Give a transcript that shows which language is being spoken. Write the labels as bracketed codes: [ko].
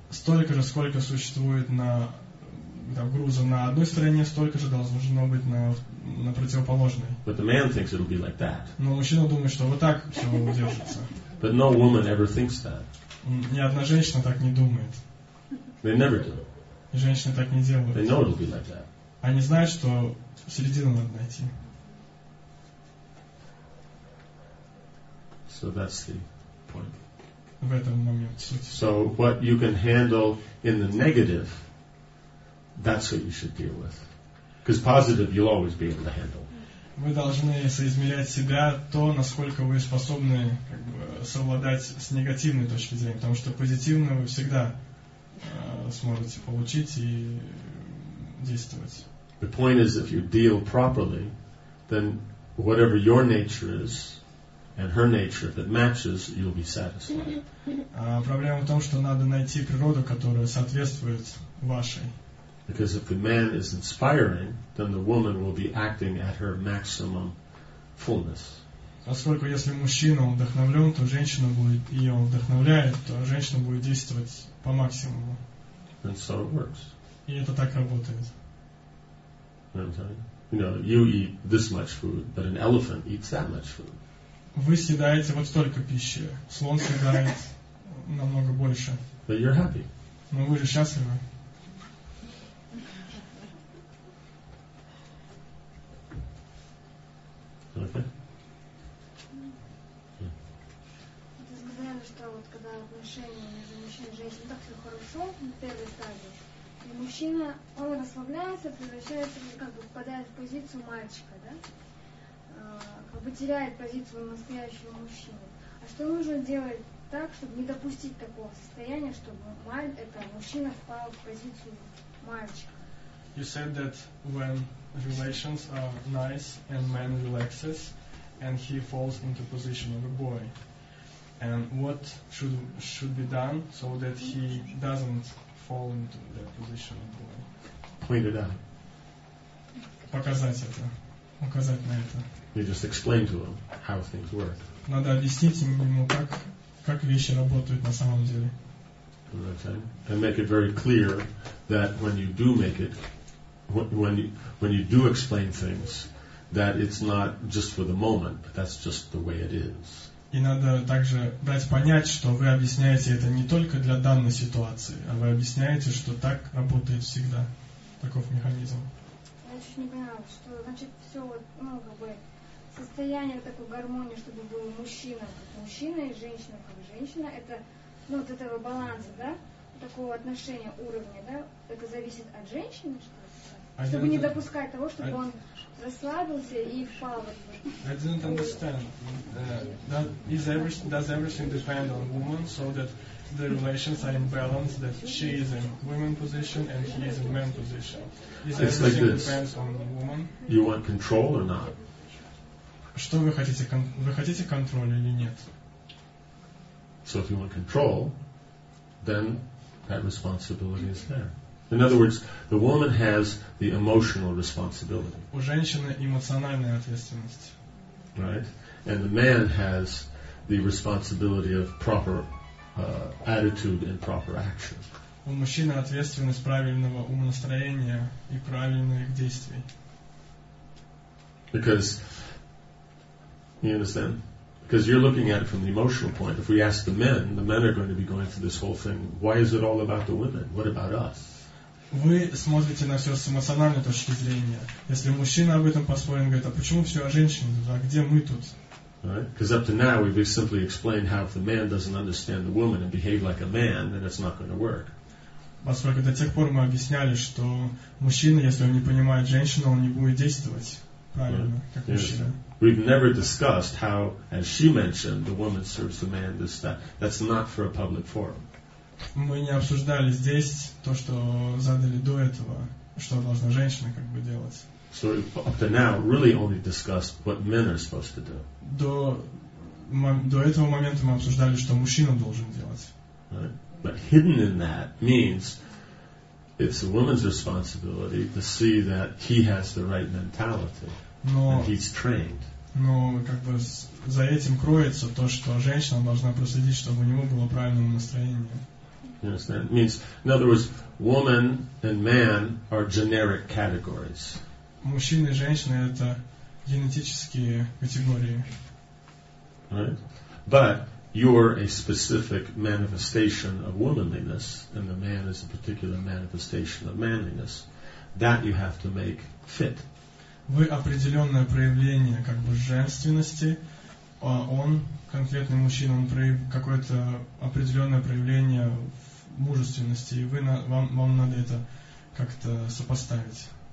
[ru] Столько же, сколько существует на там, груза на одной стороне столько же должно быть на противоположной. [en] But the man thinks it'll be like that. [ru] Но мужчина думает, что вот так все удержится. [en] But no woman ever thinks that. [ru] Ни одна женщина так не думает. [en] They never do. [ru] Женщины так не делают. [en] They know it'll be like that. [ru] Они знают, что середину надо найти. [en] So that's the point. [ru] В этом момент суть. [en] So what you can handle in the negative, that's what you should deal with. Because positive you'll always be able to handle. [ru] Вы должны соизмерять себя то, насколько вы способны как бы, совладать с негативной точки зрения. Потому что позитивную вы всегда сможете получить и действовать. [en] The point is, if you deal properly, then whatever your nature is, and her nature that matches, you'll be satisfied. [ru] Проблема в том, что надо найти природу, которая соответствует вашей. [en] Because if the man is inspiring, then the woman will be acting at her maximum fullness. [ru] Поскольку если мужчина вдохновлен, то женщина будет, и он вдохновляет, то женщина будет действовать по максимуму. [en] And so it works. [ru] И это так работает. [en] You know, you eat this much food, but an elephant eats that much food. [ru] Вы съедаете вот столько пищи. Слон съедает намного больше. [en] But you're happy. [ru] Но вы же счастливы. [en] Okay. [ru] Вот вы сказали, что вот когда отношения между мужчиной и женщиной так все хорошо, на первой стадии, и мужчина, он расслабляется, превращается, как бы впадает в позицию мальчика, да? Как бы теряет позицию настоящего мужчины. А что нужно делать так, чтобы не допустить такого состояния, чтобы мужчина впал в позицию мальчика? [en] You said that when relations are nice and man relaxes and he falls into position of a boy. And what should be done so that he doesn't fall into that position of boy? Point it out. [ru] Показать это. Указать на это. [en] You just explain to him how things work. [ru] Надо объяснить ему, как вещи работают на самом деле. [en] And make it very clear that when you do make it, when you do explain things, that it's not just for the moment, but that's just the way it is. [ru] И надо также дать понять, что вы объясняете это не только для данной ситуации, а вы объясняете, что так работает всегда. Таков механизм. Я чуть не поняла, что значит все вот, ну, как бы состояние такой гармонии, чтобы был мужчина как мужчина и женщина как женщина, это, ну, вот этого баланса, да, такого отношения, уровня, да, это зависит от женщины, что ли? Чтобы не допускать того, чтобы он расслабился и впал в это. [en] I didn't understand. Does everything depend on woman so that the relations are in balance, that she is in women position and he is in man position? Is it's like this. Depends on woman? You want control or not? [ru] Что вы хотите контроль или нет? [en] So if you want control, then that responsibility is there. In other words, the woman has the emotional responsibility. [ru] У женщины эмоциональная ответственность. [en] Right? And the man has the responsibility of proper attitude and proper action. [ru] У мужчины ответственность правильного умонастроения и правильных действий. [en] Because you understand? Because you're looking at it from the emotional point. If we ask the men are going to be going through this whole thing. Why is it all about the women? What about us? [ru] Вы смотрите на все с эмоциональной точки зрения. Если мужчина об этом поспорит, говорит, а почему все о женщинах? А где мы тут? [en] Right? Because up to now we've simply explained how if the man doesn't understand the woman and behave like a man, then it's not going to work. [ru] Поскольку до тех пор мы объясняли, что мужчина, если он не понимает женщину, он не будет действовать правильно, [en] right? [ru] Как мужчина. [en] Yes. We've never discussed how, as she mentioned, the woman serves the man, this, that. That's not for a public forum. [ru] Мы не обсуждали здесь то, что задали до этого, что должна женщина как бы делать. [en] So up to now, really only discussed what men are supposed to do. [ru] До этого момента мы обсуждали, что мужчина должен делать. [en] Right. But hidden in that means it's a woman's responsibility to see that he has the right mentality and he's trained. [ru] Но как бы за этим кроется то, что женщина должна проследить, чтобы у него было правильное настроение. [en] You understand? It means, in other words, woman and man are generic categories. [ru] Мужчина и женщина — это генетические категории. [en] Right? But you're a specific manifestation of womanliness, and the man is a particular manifestation of manliness. That you have to make fit. [ru] Вы определенное проявление как бы женственности, а он, конкретный мужчина, он какое-то определенное проявление мужественности, и вы, вам надо это как-то сопоставить.